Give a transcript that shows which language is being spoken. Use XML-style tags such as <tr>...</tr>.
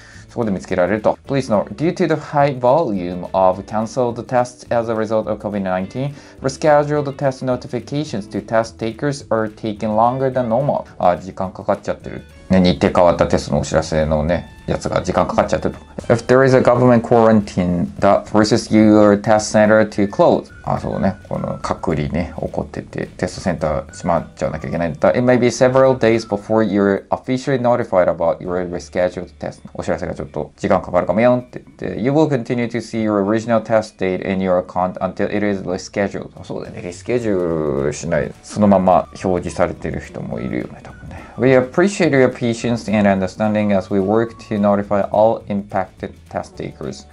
<ja>そこで見つけられると。</ja> <en>Please note, due to the high volume of cancelled tests as a result of COVID-19, rescheduled test notifications to test takers are taking longer than normal.</en> <ja>あ、時間かかっちゃってる。ね、日程変わったテストのお知らせのね、やつが時間かかっちゃってると。</ja> <en>If there is a government quarantine that forces your test center to close.</en> <ja>あ、そうね。この隔離ね、起こってて、テストセンター閉まっちゃわなきゃいけないんだったら、</ja> <en>It may be several days before you're officially notified about your rescheduled test.</en> <ja>お知らせがちょっと時間かかるかもよんって言って、</ja> <en>You will continue to see your original test date in your account until it is rescheduled.</en> <ja>そうだね。リスケジュールしない。そのまま表示されてる人もいるよね、多分ね。</ja> <en>We appreciate your patience and understanding as we work to notify all impacted test takers.</en>